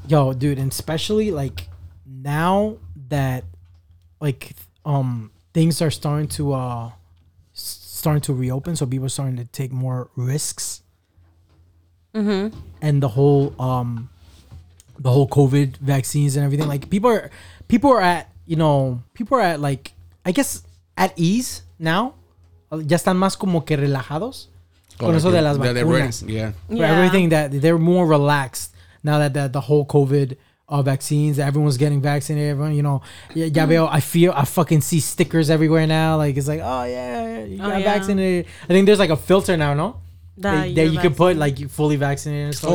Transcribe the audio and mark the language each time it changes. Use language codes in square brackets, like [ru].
[en] Yo, dude, and especially like now that like things are starting to reopen, so people are starting to take more risks. Mm-hmm. And the whole COVID vaccines and everything. Like people are at like I guess. At ease now. [es] Ya están más como que relajados. Con eso de las vacunas. [en] Yeah. Everything that they're more relaxed now that the whole COVID vaccines, everyone's getting vaccinated. Everyone, you know, [es] ya veo, [en] I fucking see stickers everywhere now. Like, it's like, oh yeah, you got vaccinated. I think there's like a filter now, no? That you can put like fully vaccinated. And stuff